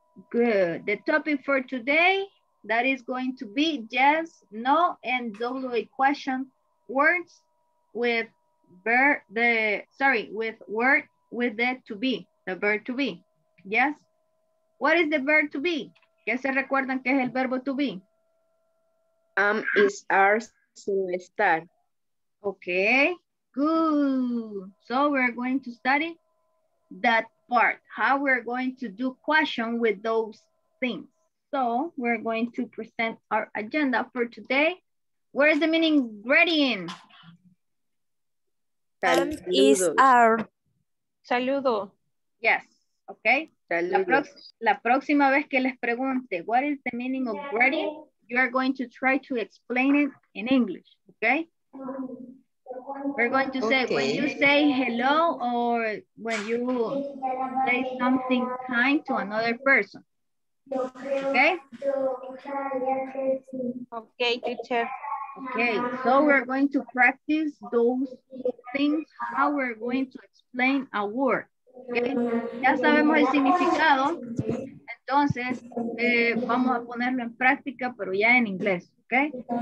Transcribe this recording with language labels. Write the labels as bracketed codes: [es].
[en] Good. The topic for today that is going to be yes, no, and WA question words with the verb to be. Yes. What is the verb to be? [es] ¿Qué se recuerdan que es el verbo to be? [en] Is, are, [es] sin estar. [en] Okay, good. So we're going to study that part. How we're going to do question with those things. So we're going to present our agenda for today. Where is the main ingredient? Is, are. [es] Saludo. Yes, okay. La próxima vez que les pregunte, [en] what is the meaning of greeting? You are going to try to explain it in English, okay? We're going to say, when you say hello or when you say something kind to another person, okay? Okay, teacher. Okay, so we're going to practice those things, how we're going to explain a word. Okay. [es] Ya sabemos el significado, entonces vamos a ponerlo en práctica, pero ya en inglés, ¿ok?